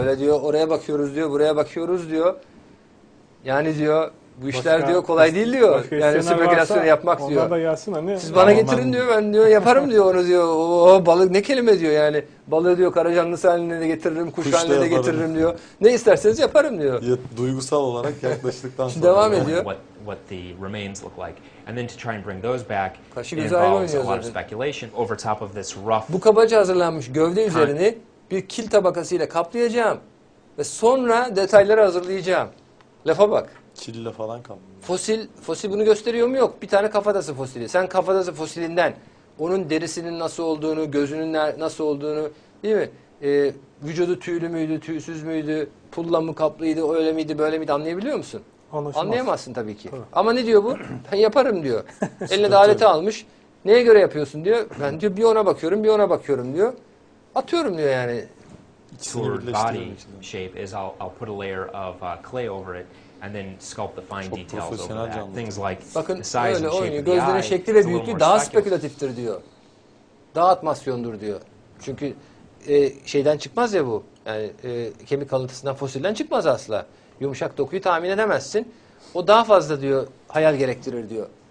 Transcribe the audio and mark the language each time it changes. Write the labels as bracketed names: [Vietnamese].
[Turkish] Öyle diyor oraya bakıyoruz diyor, buraya bakıyoruz diyor. Yani diyor bu işler başka, diyor kolay değil diyor. Yani spekülasyon yapmak diyor. Da gelsin, hani. Siz bana getirin diyor ben diyor yaparım diyor onu diyor. Oo balık ne kelime diyor yani. Balığı diyor karacanlısı haline de getiririm, kuş haline de getiririm diyor. Ne isterseniz yaparım diyor. Ya, duygusal olarak yaklaştıktan sonra. Devam ediyor. [English] What the remains look like, and then to try and bring those back involves a lot of speculation over top of this rough. [Turkish] Bu kabaca hazırlanmış gövde üzerini bir kil tabakasıyla kaplayacağım ve sonra detayları hazırlayacağım. Lafa bak. Kille falan kaplıyor. Fosil bunu gösteriyor mu yok? Bir tane kafatası fosili. Sen kafatası fosilinden onun derisinin nasıl olduğunu, gözünün nasıl olduğunu, değil mi? Vücudu tüylü müydü, tüysüz müydü, pulla mı kaplıydı, öyle miydi, böyle miydi anlayabiliyor musun? Anlaşılmaz. Anlayamazsın tabii ki. Tabii. Ama ne diyor bu? Ben yaparım diyor. Eline de aleti almış. Neye göre yapıyorsun diyor. Ben diyor bir ona bakıyorum, bir ona bakıyorum diyor. Atıyorum diyor yani. [English] For body shape is I'll put a layer of clay over it and then sculpt the fine [Turkish] çok [English] details over that. [Turkish] Canlı. [English] Things like [Turkish] bakın, [English] the size [Turkish] öyle, [English] and shape of the eye. [Turkish] Gözlerin şekli ve büyüklüğü daha spekülatiftir diyor. Daha atmasyondur diyor. Çünkü şeyden çıkmaz ya bu. Yani kemik kalıntısından, fosilden çıkmaz asla. Yumuşak dokuyu tahmin edemezsin. O daha fazla diyor hayal gerektirir diyor.